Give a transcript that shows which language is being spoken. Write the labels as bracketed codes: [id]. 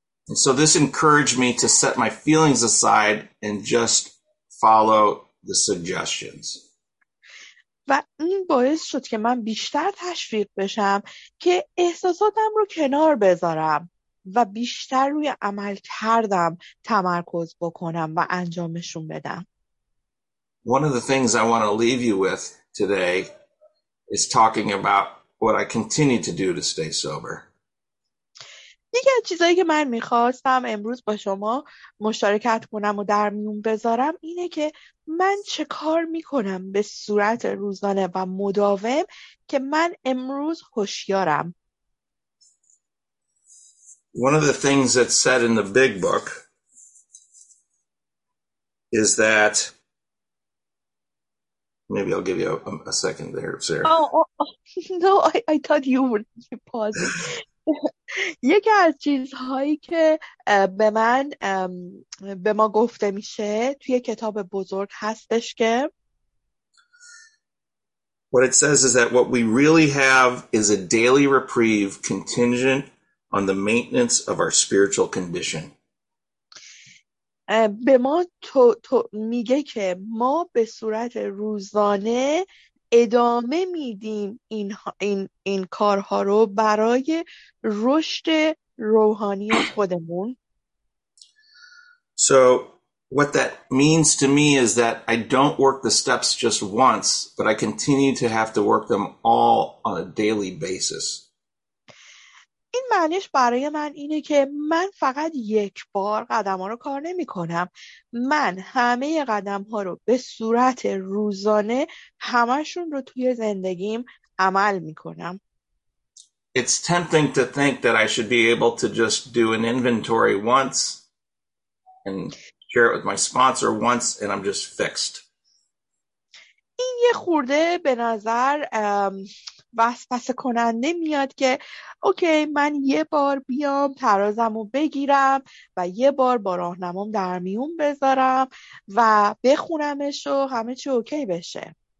[en] So this encouraged me to set my feelings aside and just follow the suggestions. [fa] و این باعث شد که من بیشتر تشویق بشم که احساساتم رو کنار بذارم و بیشتر روی عمل کردم تمرکز بکنم و انجامشون بدم. [en] One of the things I want to leave you with today is talking about what I continue to do to stay sober. [fa] یکی از چیزایی که من میخواستم امروز با شما مشارکت کنم و در میون بذارم اینه که من چه کار میکنم به صورت روزانه و مداوم که من امروز هوشیارم. [en] One of the things that's said in the big book is that maybe I'll give you a second there, Sarah. No, I thought you were pausing. [fa] یکی از چیزهایی که به من به ما گفته میشه توی کتاب بزرگ هستش که [en] What it says is that what we really have is a daily reprieve contingent on the maintenance of our spiritual condition. [fa] به ما تو میگه که ما به صورت روزانه ادامه میدیم این کارها رو برای رشد روحانی خودمون. [en] So what that means to me is that I don't work the steps just once, but I continue to have to work them all on a daily basis. [fa] این معنیش برای من اینه که من فقط یک بار قدم ها رو کار نمی کنم. من همه قدم ها رو به صورت روزانه همشون رو توی زندگیم عمل می کنم. [en] It's tempting to think that I should be able to just do an inventory once and share it with my sponsor once and I'm just fixed. [fa] این یه خورده به نظر وسوسه کننده میاد که اوکی من یه بار بیام ترازمو بگیرم و یه بار با راهنمام در میون بذارم و بخونمش و همه چی اوکی بشه.